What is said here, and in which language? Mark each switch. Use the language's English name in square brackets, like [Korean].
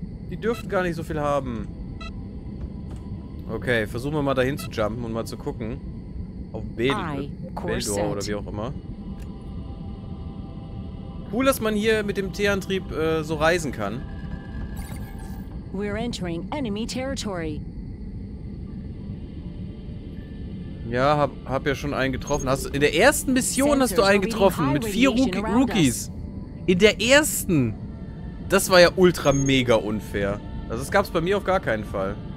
[German] Die dürften gar nicht so viel haben. Okay, versuchen wir mal dahin zu jumpen und mal zu gucken. Auf Beldor oder wie auch immer. Cool, dass man hier mit dem T-Antrieb so reisen kann. [English] We're entering enemy territory. [German] Ja, hab ja schon einen getroffen. In der ersten Mission hast du einen getroffen mit 4 Rookies. In der ersten. Das war ja ultra mega unfair. Also das gab's bei mir auf gar keinen Fall.